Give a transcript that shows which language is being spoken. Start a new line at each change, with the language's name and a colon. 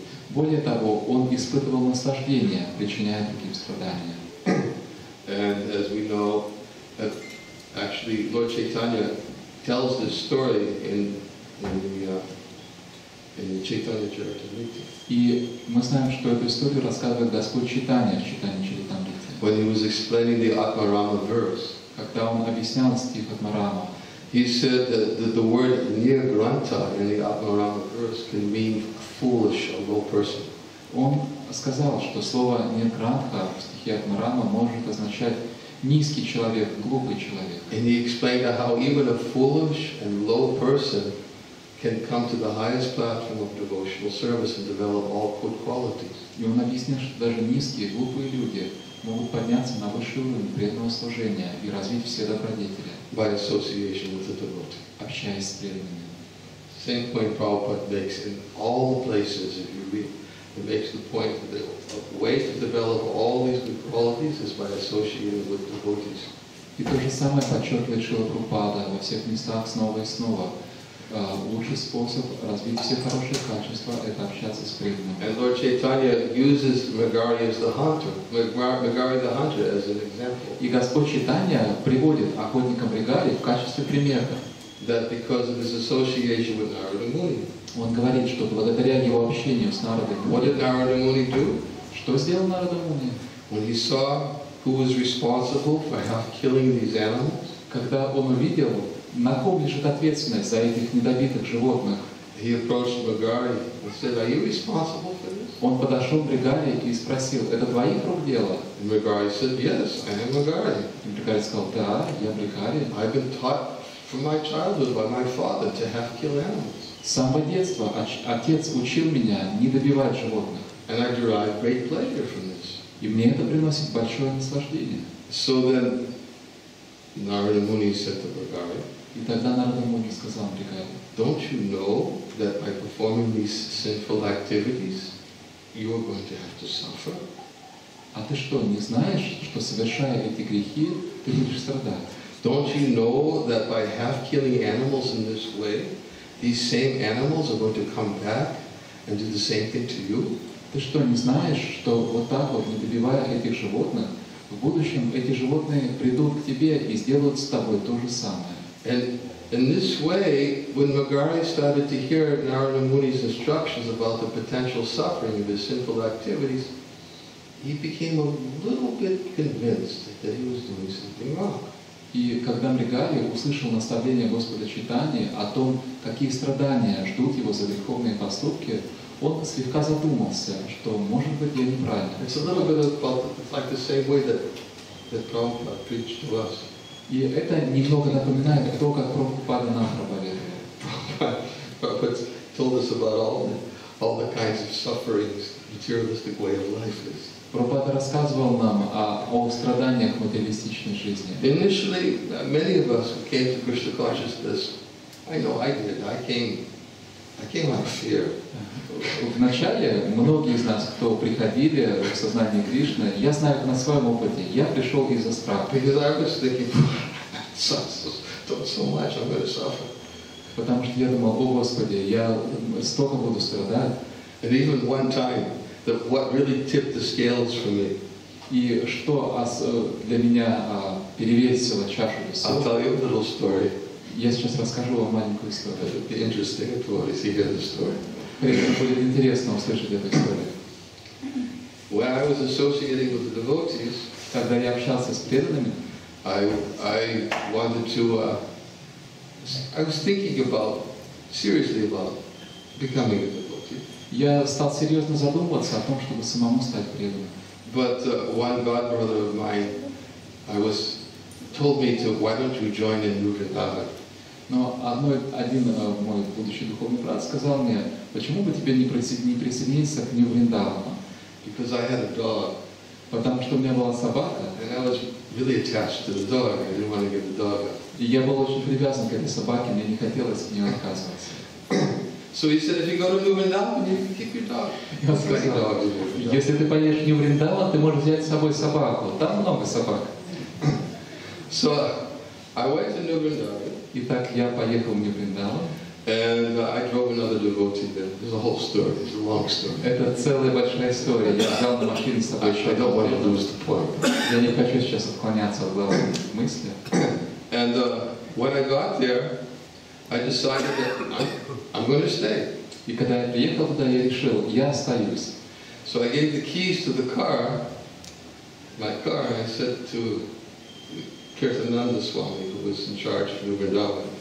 Russian: Более того, он испытывал наслаждение, причиняя другим страдания.
English: And as we know, actually Lord Chaitanya tells this story in the Chaitanya Charitamrita.
Russian: И мы знаем, что эту историю рассказывает Господь Читания в Читании Чаритамрите.
English: When he was explaining the Atmarama verse,
Russian: когда он объяснял стих Атмарама,
English: He said that the word nirgranta in the Atmarama verse can mean foolish or low person.
Russian: Он сказал, что слово нирграха в стихе Атмарама может означать низкий человек, глупый человек.
English: And he explained how even a foolish and low person can come to the highest platform of devotional service and develop all good qualities.
Russian: И он объяснил, что даже низкие, глупые люди могут подняться на высший уровень преданного служения и развить все добродетели.
English: By association with the devotee.
Russian: Общаясь с преданными.
English: Same point Prabhupada makes in all the places, if you read, he makes the point that the way to develop all these good qualities is by associating with devotees.
Russian: И то же самое подчеркивает Шрила Прабхупада во всех местах снова и снова. Лучший способ развить все хорошие качества – это общаться с преданными.
English: And Lord Chaitanya uses Megari as the hunter, Megari the hunter as an example.
Russian: И Господь Чайтанья приводит охотника Мегари в качестве примера.
English: That because of his association with Narada Muni.
Russian: Он говорит, что благодаря его общению с Нарадой Муни.
English: What did Narada Muni do?
Russian: Что сделал Нарада Муни?
English: When he saw who was responsible for half killing these animals.
Russian: Когда он увидел, на ком лежит ответственность за этих недобитых животных?
English: He approached Megari and said, "Are you responsible for this?"
Russian: Он подошел к Мегари и спросил: "Это твоих рук дело?"
English: And Megari said, "Yes, I am Megari."
Russian: И Мегари сказал: "Да, я Мегари."
English: I've been taught from my childhood by my father to half kill animals.
Russian: С самого детства отец учил меня не добивать животных.
English: And I derive great pleasure from this.
Russian: И мне это приносит большое наслаждение.
English: So then, Narada Muni said to Megari.
Russian: И тогда Нарада Муни сказал Мегари:
English: "Don't you know that by performing these sinful activities, you are going to have to suffer?"
Russian: А ты что, не знаешь, что совершая эти грехи, ты будешь страдать?
English: Don't you know that by half-killing animals in this way, these same animals are going to come back and do the same thing to you?
Russian: Ты что, не знаешь, что вот так вот, не добивая этих животных, в будущем эти животные придут к тебе и сделают с тобой то же самое?
English: And in this way, when Megari started to hear Narada Muni's instructions about the potential suffering of his sinful activities, he became a little bit convinced that he was doing something wrong.
Russian: И когда Мегари услышал наставление Господа Чайтаньи о том, какие страдания ждут его за греховные поступки, он слегка задумался, что, может быть, я неправильно.
English: It's a little bit about like the same way that Prabhupada preached to us.
Russian: И это немного напоминает то, как Прабхупада нам проповедовал.
English: Prabhupada told us about all the kinds of sufferings materialistic way of life is.
Russian: Прабхупада рассказывал нам о страданиях материалистичной жизни.
English: Initially, many of us who came to Krishna consciousness, I know I did. I came out of fear.
Russian: Вначале многие из нас, кто приходили в сознание Кришны, я знаю на своем опыте, я пришел из-за страха.
English: Because I was thinking, so much, I'm going to suffer.
Russian: Потому что я думал, о Господи, я столько буду страдать.
English: And even one time, that what really tipped the scales for me.
Russian: И что для меня перевесило чашу весов?
English: I'll tell you a little story.
Russian: Я сейчас расскажу вам маленькую историю.
English: It'll be interesting to always hear the story.
Russian: Будет интересно услышать эту историю.
English: When I was associating with the devotees,
Russian: когда я общался с преданными,
English: I was thinking seriously about becoming a devotee.
Russian: Я стал серьезно задумываться о том, чтобы самому стать преданным.
English: But one godbrother of mine, I was told me to, why don't you join in New Vrindavan?
Russian: Но мой будущий духовный брат сказал мне, почему бы тебе не присоединиться к New Vrindavan?
English: Because I had a dog.
Russian: Потому что у меня была собака.
English: And I was really attached to the dog. I didn't want to get the dog up.
Russian: И я был очень привязан к этой собаке, мне не хотелось от нее отказываться.
English: So he said, if you go to New Vrindavan, you can keep your dog.
Russian: Я сказал, если ты поедешь в New Vrindavan, ты можешь взять с собой собаку. Там много собак.
English: So I went to New Vrindavan.
Russian: Итак, я поехал в New Vrindavan.
English: And I drove another devotee there. There's a whole story. It's a long story.
Russian: Это целая большая история. Я взял на машине собаку.
English: I don't want to lose the point.
Russian: Я не хочу сейчас отклоняться от главной мысли.
English: And when I got there, I decided that I'm going to stay.
Russian: И когда я приехал туда, я решил, я остаюсь.
English: So I gave the keys to the car, my car, and I said to Kirtananda Swami, who was in charge of New Vrindavan.